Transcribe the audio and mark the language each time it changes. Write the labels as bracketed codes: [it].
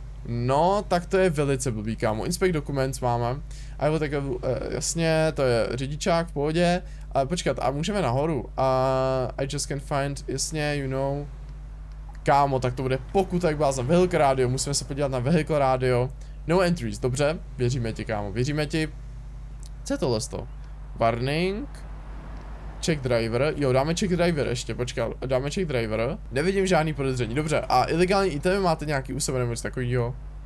[cs] No, tak to je velice blbý, kámo. Inspect documents máme. A jo, tak jasně, to je řidičák v pohodě. Počkat, a můžeme nahoru. [en] I just can't find, jasně, you know. [cs] Kámo, tak to bude pokuta, jak byla za vehicle radio. Musíme se podívat na vehicle radio. No entries, dobře, věříme ti, kámo, věříme ti. Co je tohle to? Warning. Check driver, jo, dáme check driver ještě, počkat, dáme check driver. Nevidím žádný podezření, dobře, a ilegální itemy máte nějaký u sebe nebo něco takovýho?